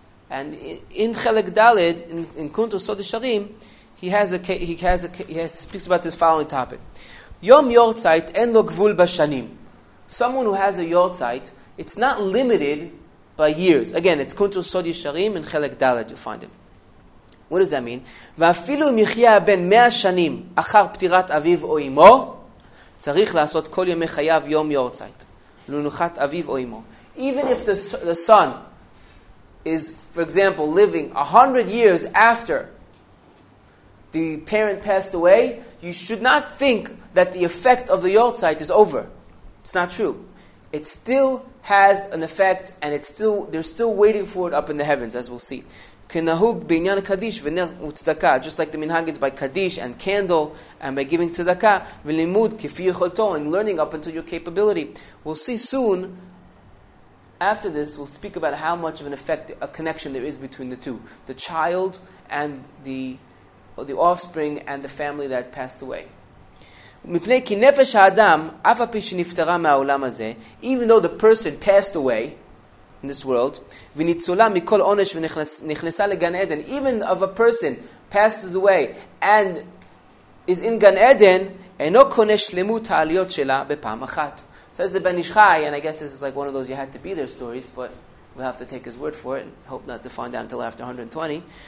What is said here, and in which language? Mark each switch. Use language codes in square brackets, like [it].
[en] And in Chelek Dalet, in Kuntos Sod Yesharim, he speaks about this following topic. [he] Yom Yortzeit en lo gvul bashanim. [en] Someone who has a Yortzeit, it's not limited by years. Again, it's Kuntos Sod Yesharim in Chelek Dalet, you'll find it. What does that mean? [he] ואפילו אם יחיה הבן 100 שנים אחר פטירת אביו או אמו, צריך לעשות כל ימי חייו יום יורצייט, לנוחת אביו או אמו. [en] Even if the son is, for example, living 100 years after the parent passed away, you should not think that the effect of the יורצייט is over. It's not true. It still has an effect, and they're still waiting for it up in the heavens, as we'll see. [he] כנהוג בעניין הקדיש ונר וצדקה, [en] just like the minhag is by kaddish and candle and by giving tzedaka [he] ולימוד כפי יכולתו, [en] and learning up until your capability. We'll see soon, after this, we'll speak about how much of an effect, a connection there is between the two, the child and the offspring and the family that passed away. [he] מפני כי נפש האדם, אף הפי שנפטרה מהעולם הזה, [en] even though the person passed away in this world, [he] וניצולה מכל עונש ונכנסה לגן עדן. [en] Even if a person passes away and is in Gan Eden, [he] אינו קונה שלמות העליות שלה בפעם אחת. [en] So this is Ben Ish Chai, and I guess this is like one of those you had to be there stories, but we'll have to take his word for it, and hope not to find out until after 120.